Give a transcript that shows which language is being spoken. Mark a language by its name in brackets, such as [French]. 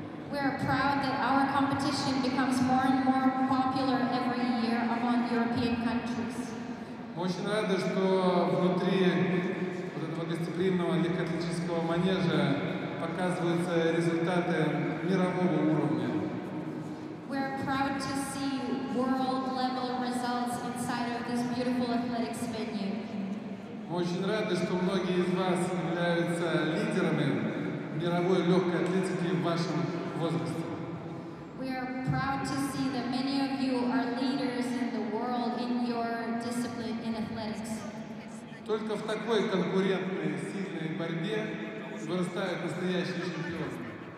[English] We are proud that our competition becomes more and more popular every year among European countries. [Russian] Очень рада, что внутри вот этого гостеприимного легкоатлетического манежа показываются результаты мирового уровня. [English] We are proud to see world-level results inside of this beautiful athletics venue. [Russian] Очень рада, что многие из вас являются лидерами мировой легкой атлетики в вашем возрасте. [English] We are proud to see that many of you are leaders in the world in your discipline in athletics. [Russian] Только в такой конкурентной сильной борьбе вырастают настоящие чемпионы.